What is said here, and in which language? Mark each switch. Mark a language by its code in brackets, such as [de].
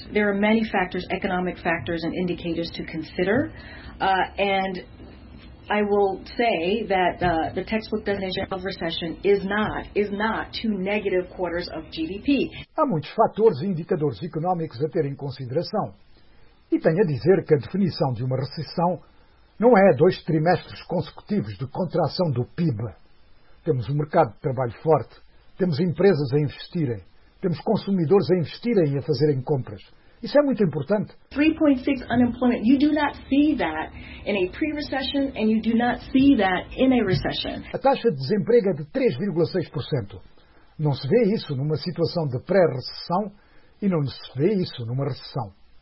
[en] There are many factors, economic factors and indicators to consider. And I will say that the textbook definition of recession is not two negative quarters of GDP. [pt] Há muitos fatores e indicadores económicos a ter em consideração. E tenho a dizer que a definição de uma recessão não é dois trimestres consecutivos de contração do PIB. Temos um mercado de trabalho forte, temos empresas a investirem, temos consumidores a investirem e a fazerem compras. Isso é muito importante. [en] 3.6 unemployment. You do not see that in a pre-recession and you do not see that in a recession. [pt] A taxa de desemprego é de 3,6%. Não se vê isso numa situação de pré-recessão e não se vê isso numa recessão.